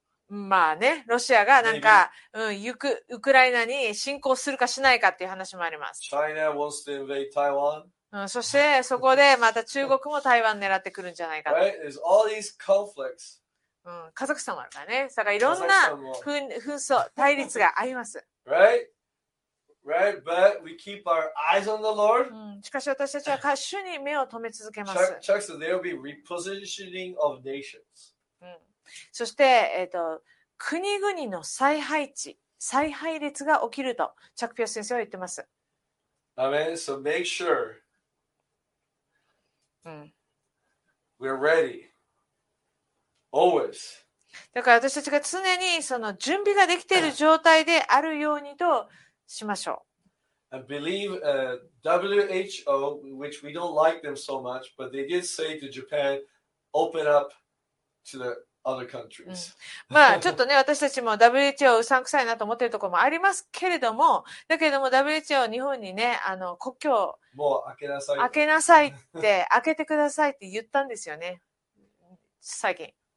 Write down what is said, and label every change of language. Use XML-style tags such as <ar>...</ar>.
<ja>まあね、ロシアがなんか、うん、ウクライナに侵攻するかしないかっていう話もあります。</ja> <en>China wants to invade Taiwan.</en> <ja>うん、そしてそこでまた中国も台湾狙ってくるんじゃないか</ja> <en>と。Right? There's all these conflicts.</en> <ja>うん、カザフスタンもあるからね。だからいろんな紛争、対立があります。</ja> <en>Right? Right? But we keep our eyes on the Lord.</en> <ja>うん、しかし私たちは主に目を留め続けます。</ja> <en>Chuck said there will be repositioning of nations.</en> <ja>そして、国々の再配置、再配列が起きると、チャック・ピアス先生は言ってます。</ja> <en>Amen. So make sure、うん、 we're ready. Always.</en> <ja>だから私たちが常にその準備ができている状態であるようにとしましょう。</ja> <en>I believe、WHO, which we don't like them so much, but they did say to Japan, open up to theOther countries.</en> <ja>うん、まあちょっとね私たちも WHO うさんくさいなと思っているところもありますけれどもだけども WHO 日本にね国境もう開けなさい開けなさいって開けてくださいって言ったんですよね最近、</ja>